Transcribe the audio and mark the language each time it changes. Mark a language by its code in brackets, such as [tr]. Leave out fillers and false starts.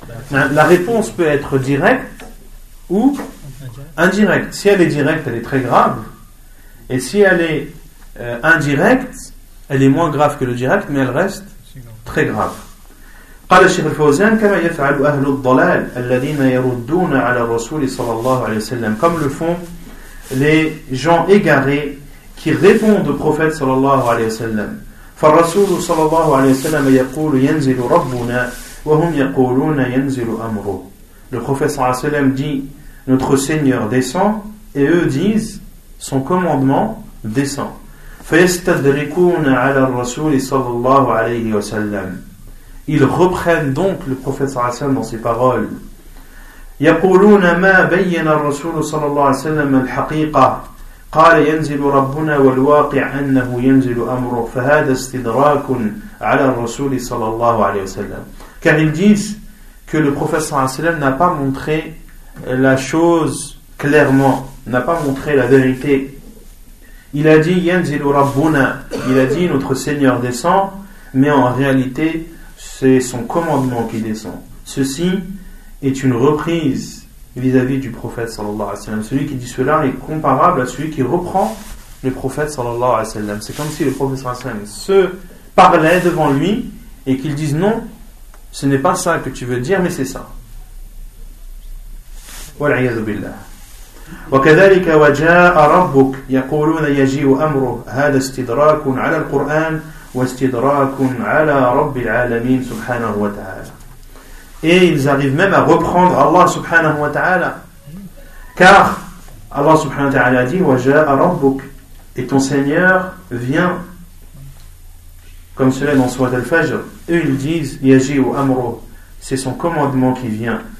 [fr] La réponse peut être directe ou indirecte. Si elle est directe, elle est très grave. Et si elle est indirecte, elle est moins grave que le direct, mais elle reste très grave. [ar] قال الشيخ الفوزان كما يفعل أهل الضلال الذين يردون على الرسول صلى الله عليه وسلم. [fr] Comme le font les gens égarés qui répondent au prophète صلى الله عليه وسلم. [ar] فالرسول صلى الله عليه وسلم يقول ينزل ربنا وهم يقولون ينزل أمره. [fr] Le prophète صلى الله عليه وسلم dit notre Seigneur descend, et eux disent son commandement descend. [ar] فيستدركون على الرسول صلى الله عليه وسلم. [fr] Ils reprennent donc le prophète صلى الله عليه وسلم dans ses paroles. [ar] يقولون ما بين الرسول صلى الله عليه وسلم الحقيقة قال ينزل ربنا والواقع أنه ينزل أمره فهذا استدراك على الرسول صلى الله عليه وسلم. [fr] Car ils disent que le prophète sallallahu alayhi wa sallam n'a pas montré la chose clairement, n'a pas montré la vérité. Il a dit [ar] yanzilu rabbuna, [fr] il a dit notre Seigneur descend, mais en réalité c'est son commandement qui descend. Ceci est une reprise vis-à-vis du prophète sallallahu alayhi wa sallam. Celui qui dit cela est comparable à celui qui reprend le prophète sallallahu alayhi wa sallam. C'est comme si le prophète sallallahu alayhi wa sallam se parlait devant lui et qu'il dise non, ce n'est pas ça que tu veux dire, mais c'est ça. [ar] والعياذ بالله. وكذلك وجاء ربك يقولون يجيء أمره هذا استدراك على القرآن واستدراك على رب العالمين سبحانه وتعالى. [fr] Et ils arrivent même à reprendre Allah subhanahu wa ta'ala. Car Allah subhanahu wa ta'ala dit [ar] وَجَاءَ رَبُّكَ [fr] et ton Seigneur vient comme cela dans Sourate Al-Fajr. Eux ils disent [ar] يَجِيءُ أَمْرُهُ [fr] c'est son commandement qui vient.